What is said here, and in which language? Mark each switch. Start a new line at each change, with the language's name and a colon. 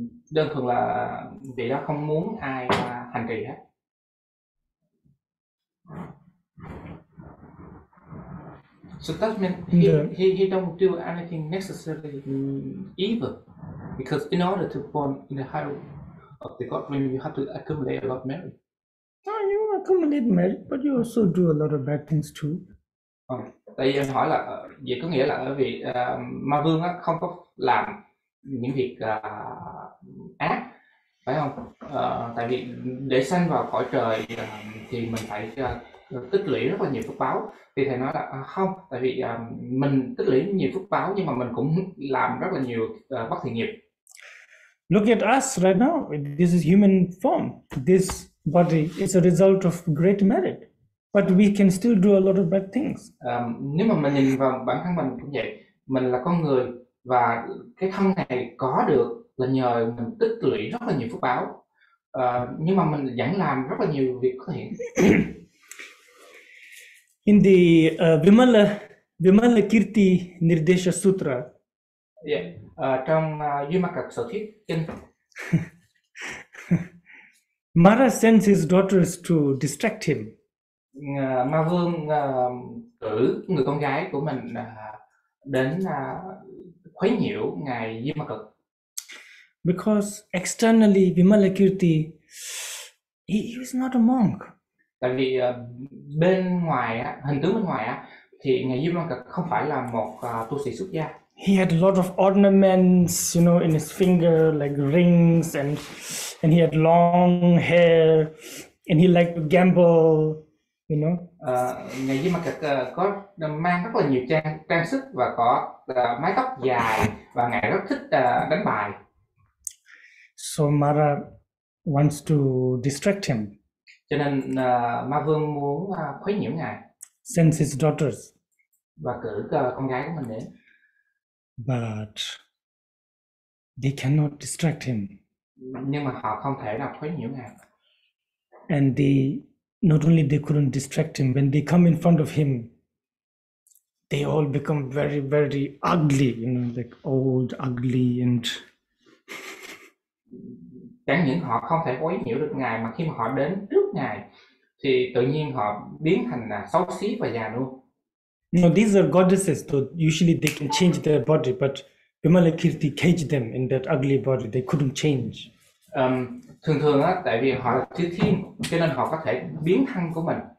Vietnamese: Đơn thuần là vậy đó không muốn ai hành trì hết.
English: So that means he don't do anything necessarily evil. Because in order to form in the higher of the God, when you have to accumulate a lot of merit. No, you accumulate merit, but you also do a lot of bad things too.
Vietnamese: Tại vì em hỏi là vậy có nghĩa là ở vì Ma Vương á không có làm những việc ác, phải không? Tại vì để sanh vào cõi trời thì mình phải tích lũy rất là nhiều phước báo. Thì thầy nói là không, tại vì mình tích lũy nhiều phước báo nhưng mà mình cũng làm rất là nhiều bất thiện nghiệp.
English: Look at us right now. This is human form. This body is a result of great merit, but we can still do a lot of bad things.
Vietnamese: Nếu mà mình nhìn vào bản thân mình cũng vậy, mình là con người và cái thân này có được là nhờ mình tích lũy rất là nhiều phước báo. Nhưng mà mình vẫn làm rất là nhiều việc có thiện.
English: In the Vimala Kirti Nirdesha Sutra. Yeah.
Vietnamese: Trong Vimala Sở Thuyết Kinh.
English: Mara sends his daughters to distract him.
Vietnamese: Ma Vương cử người con gái của mình đến khuấy nhiễu Ngài Vimala Cực.
English: Because externally Vimala Kirti, he was not a monk.
Vietnamese: Tại vì bên ngoài, hình tướng bên ngoài thì Ngài Vimala Cực không phải là một tu sĩ xuất gia.
English: He had a lot of ornaments, you know, in his finger, like rings, and he had long hair, and he liked to gamble, you know.
Vietnamese: Ngài Di Ma Cực có mang rất là nhiều trang sức và có mái tóc dài và ngài rất thích đánh bài.
English: So Mara wants to distract him.
Vietnamese: Cho nên Ma Vương muốn khuấy nhiễu ngài.
English: Sends his daughters.
Vietnamese: Và cử con gái của mình đến.
English: But they cannot distract him.
Vietnamese: Nhưng mà họ không thể nào khuấy nhiễu ngài.
English: And they not only they couldn't distract him, when they come in front of him, they all become very, very ugly, you know, like old, ugly, and.
Vietnamese: Chẳng những họ không thể khuấy nhiễu được ngài, mà khi mà họ đến trước ngài, thì tự nhiên họ biến thành là xấu xí và già nua.
English: No, these are goddesses, so usually they can change their body, but Vimala Kirti caged them in that ugly body, they couldn't change.
Vietnamese: Thường thường á, tại vì họ là chư thiên, cho nên họ có thể biến thân của mình.